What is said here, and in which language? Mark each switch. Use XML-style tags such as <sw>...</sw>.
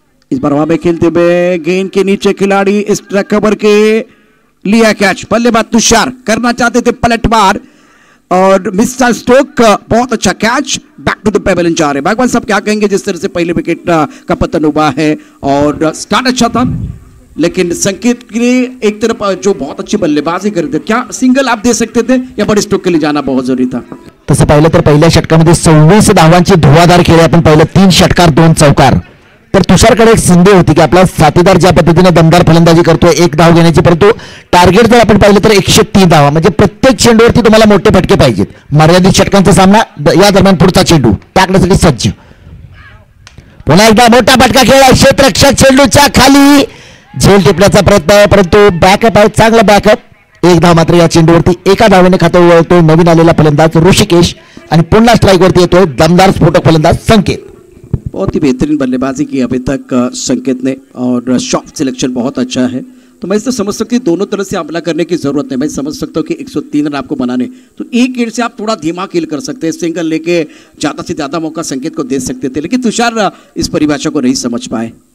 <hi>इस बार वहां में खेलते हुए गेंद के नीचे खिलाड़ी स्ट्राइक कवर के लिया कैच, बल्लेबाज तुषार करना चाहते थे पलटवार और मिस्टर स्टोक, बहुत अच्छा catch, back to the pavilion जा रहे। भगवान साहब क्या कहेंगे, जिस तरह से पहले विकेट का पतन हुआ है और स्टार्ट अच्छा था, लेकिन संकेत के एक तरफ जो बहुत अच्छी बल्लेबाजी कर रहे थे, क्या सिंगल आप दे सकते थे या बड़े स्टोक के लिए जाना बहुत जरूरी था?</hi> <mr>तसे पहले तर पहिल्या षटकामध्ये 26 धावांची धुवाधार केली, आपण पहिले 3 षटकार 2 चौकार, तर तुषारकडे एक संधी होती की आपला साथीदार ज्या पद्धतीने दमदार फलंदाजी करतोय एक धाव घेण्याची, परंतु टार्गेट जर आपण पाहिलं तर 103 धावा, म्हणजे प्रत्येक चेंडूवरती तुम्हाला मोठे फटके पाहिजेत. मर्यादित षटकांचा सामना, या दरम्यान पुढचा चेंडू टाकण्यासाठी सज्ज. पुन्हा एकदा मोठा फटका खेळला क्षेत्ररक्षक चेंडूच्या खाली, झेल टिपण्याचा प्रयत्न, परंतु बॅकअप आहे चांगला बॅकअप. एक धाव मात्र या चेंडूवरती, एका धावाने खातं उघडतोय नवीन आलेला फलंदाज ऋषिकेश, आणि पुन्हा स्ट्राइक वरती येतोय दमदार स्फोटक फलंदाज संकेत.</mr> <hi>बहुत ही बेहतरीन बल्लेबाजी की अभी तक संकेत ने, और शॉट सिलेक्शन बहुत अच्छा है. तो मैं इससे समझ सकती हूँ दोनों तरह से हमला करने की जरूरत है. मैं समझ सकता हूँ कि 103 रन आपको बनाने, तो एक गेंद से आप थोड़ा धीमा खेल कर सकते हैं, सिंगल लेके ज्यादा से ज्यादा मौका संकेत को दे सकते थे, लेकिन तुषार इस परिभाषा को नहीं समझ पाए.</hi>